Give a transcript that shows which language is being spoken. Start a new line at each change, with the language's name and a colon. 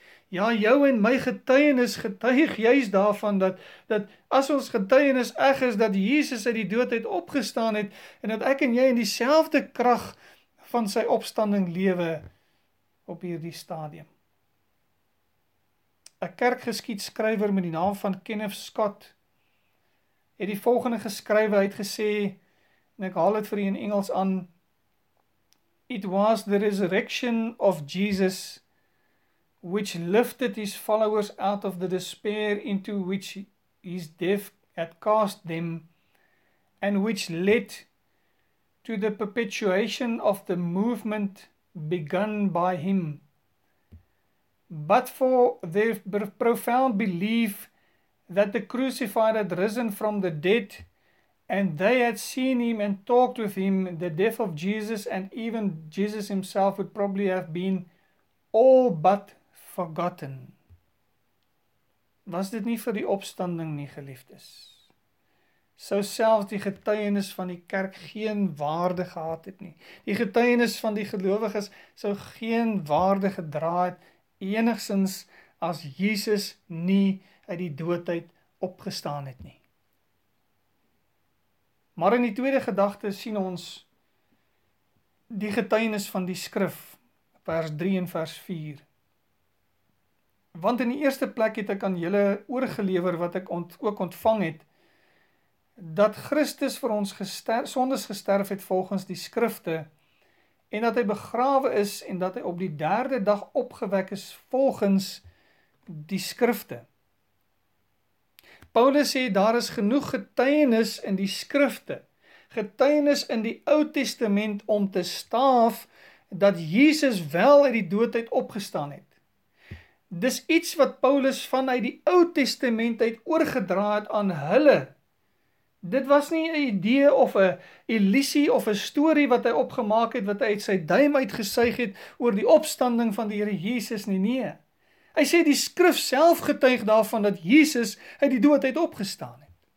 Afrikaans: Ja, jou en my getuienis getuig juist daarvan dat as ons getuienis eg is dat Jesus uit die dood het opgestaan het en dat ek en jy in dieselfde krag van sy opstanding lewe op hierdie stadium. 'N kerkgeskiedskrywer met die naam van Kenneth Scott het die volgende geskrywe, hy het gesê, en ek haal het vir u in Engels aan,
English: "It was the resurrection of Jesus which lifted his followers out of the despair into which his death had cast them and which led to the perpetuation of the movement begun by him. But for their profound belief that the crucified had risen from the dead and they had seen him and talked with him, the death of Jesus and even Jesus himself would probably have been all but forgotten."
Afrikaans: Was dit nie vir die opstanding nie, geliefdes? Sou selfs die getuienis van die kerk geen waarde gehad het nie. Die getuienis van die gelowiges sou geen waarde gedra het enigsins as Jesus nie uit die doodheid opgestaan het nie. Maar in die tweede gedagte sien ons die getuienis van die skrif, vers 3 en vers 4. Want in die eerste plek het ek aan julle oorgelever wat ek ook ontvang het, dat Christus vir ons sondes gesterf het volgens die skrifte, en dat hy begrawe is en dat hy op die derde dag opgewek is volgens die skrifte. Paulus sê, daar is genoeg getuienis in die skrifte, getuienis in die Ou Testament om te staaf dat Jesus wel uit die doodheid opgestaan het. Dis iets wat Paulus vanuit die Ou Testament uit oorgedra het aan hulle. Dit was nie 'n idee of 'n illusie of 'n story wat hy opgemaak het, wat hy uit sy duim uitgesuig het oor die opstanding van die Here Jesus nie, nee. Hy sê die skrif self getuig daarvan dat Jesus uit die dood uit opgestaan het.